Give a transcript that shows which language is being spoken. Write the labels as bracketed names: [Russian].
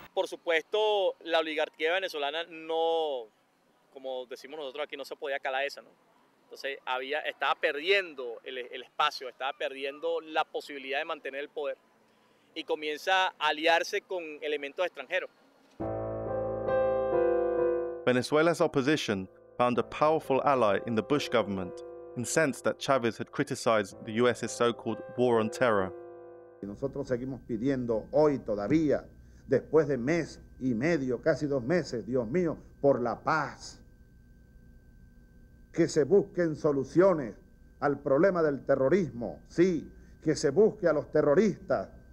[Spanish] Por supuesto, la oligarquía venezolana no, como decimos nosotros aquí, no se podía calar esa, ¿no? Entonces estaba perdiendo el espacio, estaba perdiendo la posibilidad de mantener el poder y comienza a aliarse con elementos extranjeros. [English] Venezuela's opposition found a powerful ally in the Bush government, incensed that Chavez had criticized the U.S.'s so-called war on terror. [Spanish] Y nosotros seguimos pidiendo hoy todavía, después de mes y medio, casi dos meses, Dios mío, por la paz. Que se busquen soluciones al problema del terrorismo, sí, que se busque a los terroristas.